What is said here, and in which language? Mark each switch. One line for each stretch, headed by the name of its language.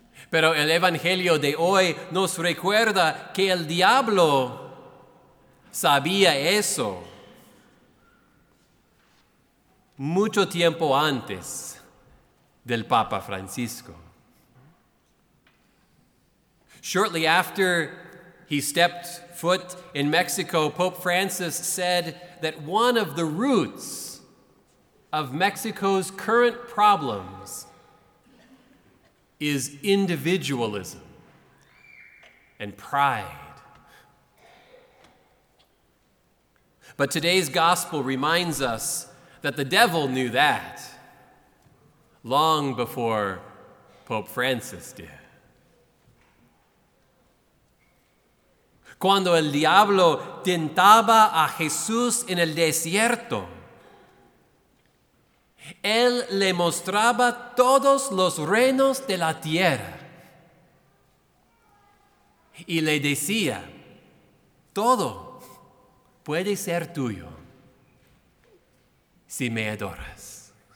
Spanish: Pero el Evangelio de hoy nos recuerda que el diablo sabía eso mucho tiempo antes del Papa Francisco.
English: Shortly after he stepped foot in Mexico, Pope Francis said that one of the roots of Mexico's current problems is individualism and pride. But today's gospel reminds us that the devil knew that long before Pope Francis did.
Spanish: Cuando el diablo tentaba a Jesús en el desierto, él le mostraba todos los reinos de la tierra y le decía, todo puede ser tuyo si me adoras.